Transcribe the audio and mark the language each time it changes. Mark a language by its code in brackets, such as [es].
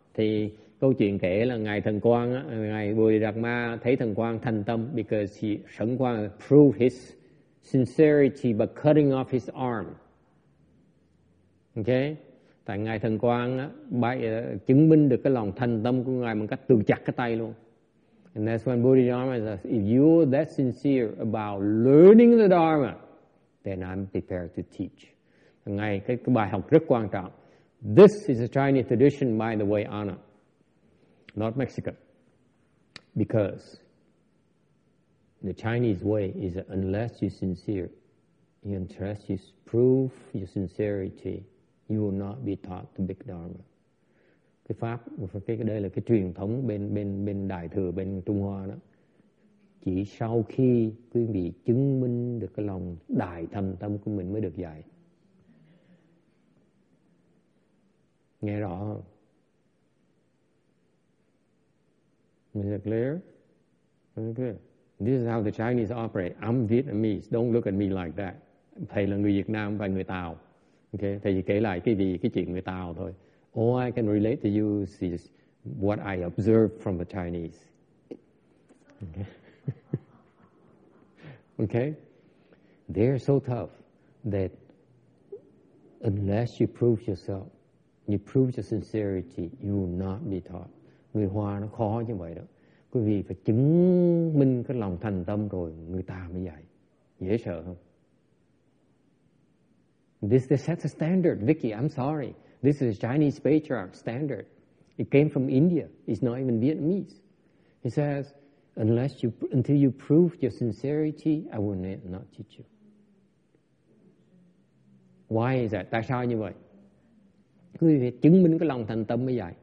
[vi] Thì câu chuyện kể là ngài Thần Quang, ngài Bồ Đề Đạt Ma thấy Thần Quang thành tâm [en] because he, Sẩn Quang proved his sincerity by cutting off his arm. [vi] Okay? Tại ngài Thần Quang chứng minh được cái lòng thành tâm của ngài bằng cách tự chặt cái tay luôn. [en] And that's when Bodhidharma says, if you are that sincere about learning the Dharma, then I'm prepared to teach. [vi] Ngài cái bài học rất quan trọng. [en] This is a Chinese tradition, by the way, Anna, not Mexican. Because the Chinese way is that unless you're sincere, unless you prove your sincerity, you will not be taught the big Dharma. [vi] Cái pháp, cái đây là cái truyền thống bên bên bên Đại thừa bên Trung Hoa đó. Chỉ sau khi quý vị chứng minh được cái lòng đại thành tâm của mình mới được dạy. Nghe rõ không? [en] Is it clear? Okay. This is how the Chinese operate. I'm Vietnamese. Don't look at me like that. [vi] Thầy là người Việt Nam và người Tàu. Okay. Thầy chỉ kể lại cái gì, cái chuyện người Tàu thôi. [en] All I can relate to you is what I observe from the Chinese. Okay. Okay. They're so tough that unless you prove yourself, you prove your sincerity, you will not be taught. [vi] Người Hoa nó khó như vậy đó. Quý vị phải chứng minh cái lòng thành tâm rồi người ta mới dạy. Dễ sợ không? [en] This is set the standard, Vicky. I'm sorry. This is Chinese patriarch standard. It came from India. It's not even Vietnamese. He says, until you prove your sincerity, I will not teach you. Why is that? [vi] Tại sao như vậy? Quý vị chứng minh cái lòng thành tâm mới dạy.